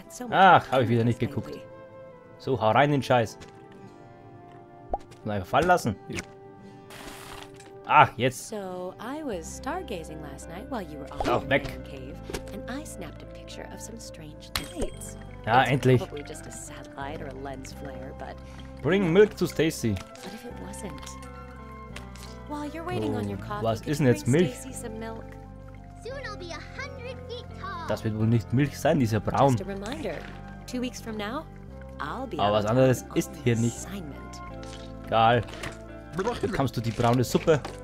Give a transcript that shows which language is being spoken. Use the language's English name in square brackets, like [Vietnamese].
[German] Ach, habe ich wieder nicht geguckt. So, hau rein den Scheiß. Und einfach fallen lassen. Ach, jetzt. [English] So, I was stargazing last night while you were off in the cave and I snapped a picture of some strange lights. [German] Ja, endlich. [English] Probably just a satellite or a lens flare, but bring milk to Stacy. What if it wasn't? While you're waiting on your coffee. [German] Was ist denn jetzt Milch? [English] Some milk? Soon I'll be 100 feet tall. [German] Das wird wohl nicht Milch sein, dieser braun. [English] Just a reminder. 2 weeks from now, I'll be [German] aber was anderes ist hier nicht. Egal. Bekommst du die braune Suppe?